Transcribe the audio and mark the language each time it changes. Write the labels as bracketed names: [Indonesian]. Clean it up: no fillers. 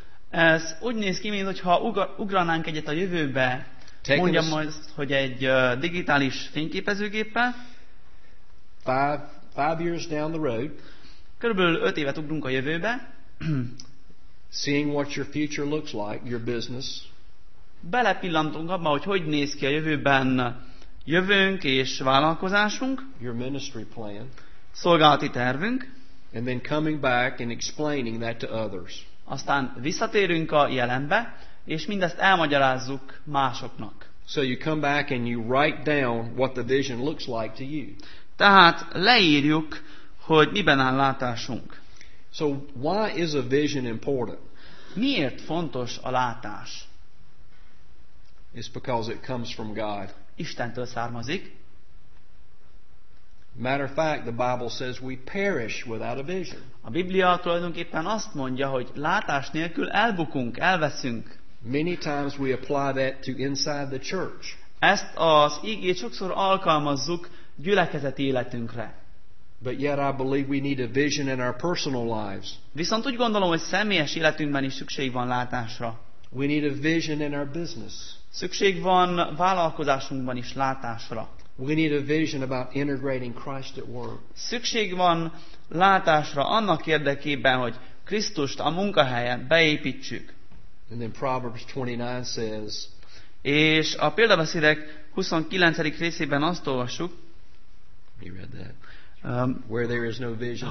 [Hungarian] Ez úgy néz ki, mintha ugranánk egyet a jövőbe, mondjam azt, hogy egy digitális fényképezőgéppel. [English] Five years down the road. [Hungarian] Körülbelül 5 évet ugrunk a jövőbe. [English] Seeing what your future looks like, your business. [Hungarian] Belepillantunk abba, hogy néz ki a jövőben jövőnk és vállalkozásunk. [English] Your ministry plan. [Hungarian] Szolgálati tervünk. [English] And then coming back and explaining that to others. [Hungarian] Aztán visszatérünk a jelenbe, és mindezt elmagyarázzuk másoknak. [English] So you come back and you write down what the vision looks like to you. [Hungarian] Tehát leírjuk, hogy miben áll látásunk. [English] So why is a vision important? [Hungarian] Miért fontos a látás? [English] It's because it comes from God. [Hungarian] Istentől származik. [English] Matter of fact, the Bible says we perish without a vision. [Hungarian] A Biblia tulajdonképpen azt mondja, hogy látás nélkül elbukunk, elveszünk. [English] Many times we apply that to inside the church. [Hungarian] Ezt az ígét sokszor alkalmazzuk gyülekezeti életünkre. [English] But yet I believe we need a vision in our personal lives. [Hungarian] Viszont úgy gondolom, hogy személyes életünkben is szükség van látásra. [English] We need a vision in our business. [Hungarian] Szükség van vállalkozásunkban is látásra. [English] We need a vision about integrating Christ at work. [Hungarian] Szükség van látásra annak érdekében, hogy Krisztust a munkahelyen beépítsük. [English] And then Proverbs 29 says. [Hungarian] És a példabeszédek 29. részében azt olvassuk. [English] You read that. Where there is no vision.